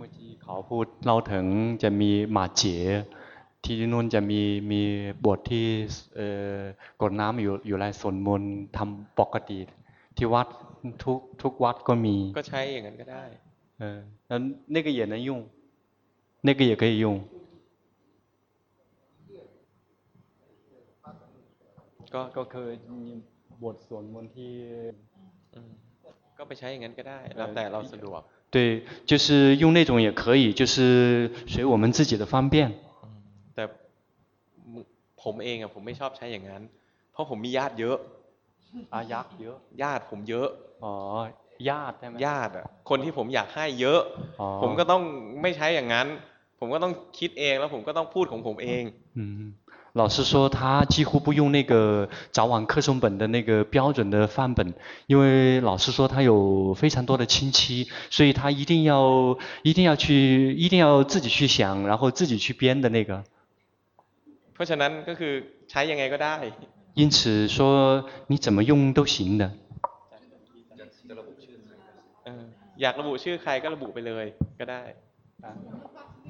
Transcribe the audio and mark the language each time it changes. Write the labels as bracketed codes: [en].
[th] เมื่อกี้เขาพูดเล่าถึงจะมีหมาเจ๋ที่นู่นจะมีบทที่กดน้ำอยู่ในสวดมนต์ทำปกติที่วัดทุกวัดก็มี ก็ใช้อย่างนั้นก็ได้ แล้วนี่ก็ [zh] 也能用那个也可以用 [th] ก็เคยมีบทสวดมนต์ที่ก็ไปใช้อย่างนั้นก็ได้แล้วแต่เราสะดวก [zh] 对就是用那种也可以就是随我们自己的方便 [th] แต่ผมเองอ่ะผมไม่ชอบใช้อย่างนั้นเพราะผมมีญาติเยอะ อายักษ์เยอะ ญาติผมเยอะ อ๋อญาติใช่ไหม ญาติอ่ะคนที่ผมอยากให้เยอะผมก็ต้องไม่ใช้อย่างนั้นผมก็ต้องคิดเองแล้วผมก็ต้องพูดของผมเอง [zh] 老师说他几乎不用那个早晚课诵本的那个标准的范本因为老师说他有非常多的亲戚所以他一定要去一定要自己去想然后自己去编的那个 [th] เพราะฉะนั้นก็คือใช้ยังไงก็ได้ [zh] 因此说你怎么用都行的 [th] อยากระบุชื่อใครก็ระบุไปเลยก็ได